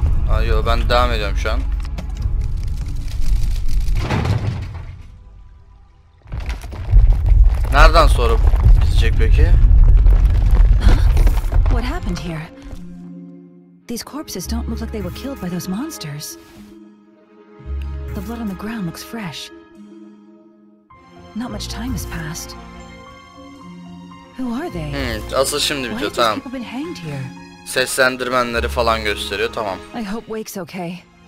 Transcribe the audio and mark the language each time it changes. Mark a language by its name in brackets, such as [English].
[Turkish] Aa, yo, ben devam ediyorum şu an. Nereden sonra bitecek peki? [English] Huh? What happened here? These corpses don't look like they were killed by those monsters. The blood on the ground looks fresh. Not much time has passed. Who are they? Hmm, [Turkish] asıl şimdi bitiyor, tamam. [English] Why have these people been hanged here? [Turkish] seslendirmenleri falan gösteriyor. Tamam. [English] I hope Wake's okay.